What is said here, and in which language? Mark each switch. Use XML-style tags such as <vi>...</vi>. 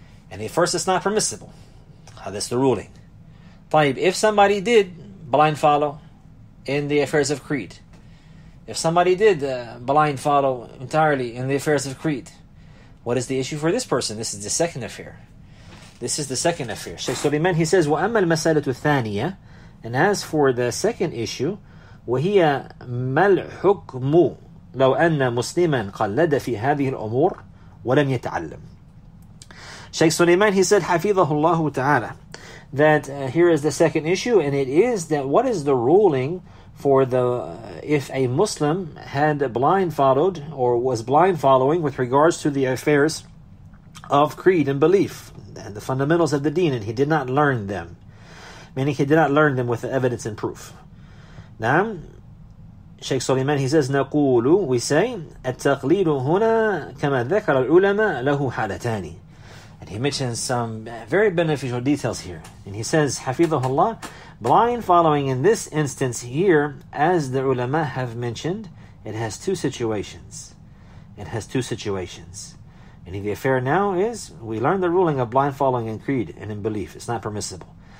<en>And at first it's not permissible. That's the ruling. Taib, if somebody did blind follow in the affairs of creed, if somebody did blind follow entirely in the affairs of creed, what is the issue for this person? This is the second affair. This is the second affair.</en> <ar>Shaykh Suleiman,</ar> <en>he says,</en> <ar>وَأَمَّا الْمَسَالَةُ الثَّانِيَةِ.</ar> <en>And as for the second issue,</en> <ar>وَهِيَ مَالْحُكْمُ لَوْ أَنَّ مُسْلِمًا قَلَّدَ فِي هَذِهِ الْأُمُورِ وَلَمْ يَتَعَلَّمْ.</ar> <en>Shaykh Suleiman, he said,</en> <ar>حَفِظَهُ اللَّهُ تَعَالَى.</ar> <en>That here is the second issue, and it is that what is the ruling for the if a Muslim had blind followed or was blind following with regards to the affairs of creed and belief, and the fundamentals of the deen, and he did not learn them. Meaning he did not learn them with the evidence and proof. Now,</en> <ar>Shaykh Suleiman,</ar> <en>he says,</en> <ar>نقول,</ar> <en>we say,</en> <ar>التقليد هنا كما ذكر العلماء له حالتان.</ar> <en>And he mentions some very beneficial details here. And he says,</en> <ar>حفظه الله,</ar> <en>blind following in this instance here, as the ulama have mentioned, it has two situations. It has two situations. And the affair now is, we learn the ruling of blind following in creed and in belief. It's not permissible.</en>